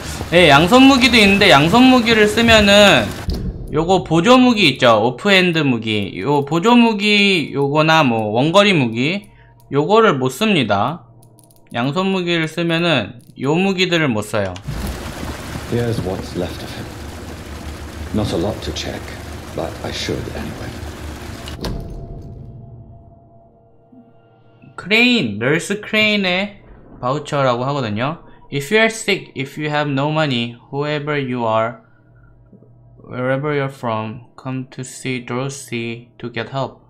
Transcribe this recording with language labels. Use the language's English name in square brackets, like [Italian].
[Korean] 네, 양손 무기도 있는데 양손 무기를 쓰면은 요거 보조 무기 있죠. 오프핸드 무기. 요 보조 무기 요거나 뭐 원거리 무기 요거를 못 씁니다. 양손 무기를 쓰면은 요 무기들을 못 써요. [English] Here's what's left of him. Not a lot to check, but I should anyway. [Korean] 크레인, 널스 크레인의 바우처라고 하거든요. [English] If you're sick, if you have no money, whoever you are, wherever you're from, come to see Dorothy to get help.